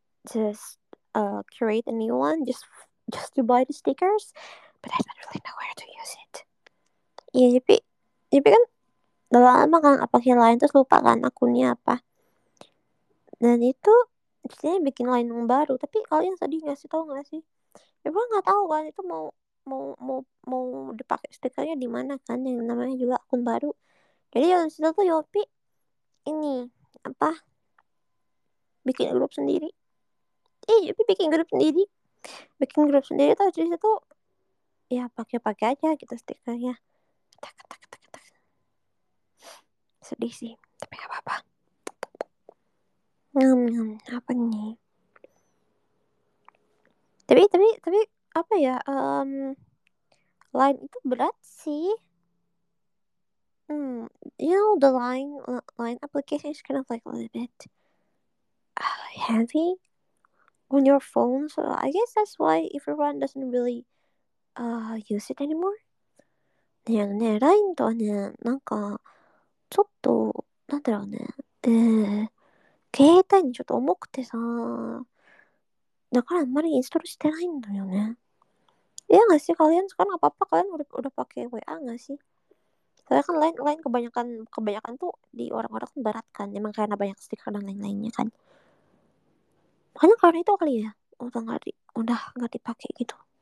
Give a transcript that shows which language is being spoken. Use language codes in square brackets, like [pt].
[en] Just create a new one just to buy the stickers, but I don't really know where to use it. [id] Iya, Yupi kan dalam lama kan apa yang lain terus lupa kan akunnya apa. Dan itu jadinya bikin lain yang baru. Tapi kalian tadi ngasih tahu nggak sih? Yupi nggak tahu kan itu mau dipakai stikernya di mana kan yang namanya juga akun baru. Jadi yang situ tuh Yupi ini apa bikin grup sendiri. Yupi bikin grup sendiri. bikin grup sendiri tuh di situ ya pakai-pakai aja gitu stikernya. Tak tak tak tak. Sedih sih, tapi gak apa-apa. Ngam ngam apa nih? Tapi apa ya? Line itu berat sih. [en] You know the line application is kind of like a little bit heavy on your phone, so I guess that's why everyone doesn't really use it anymore. [ja] ねえねえ、LINE とはね、なんか、ちょっと、なんだろうね、携帯にちょっと重くてさ、だからあんまりインストールしてないんだよね。 [id] Iya gak sih kalian sekarang apa apa kalian udah pakai WA gak sih? Soalnya kan lain lain kebanyakan kebanyakan tuh di orang-orang kan barat kan, emang karena banyak stiker dan lain-lainnya kan. Makanya karena itu kali ya, udah nggak dipakai gitu.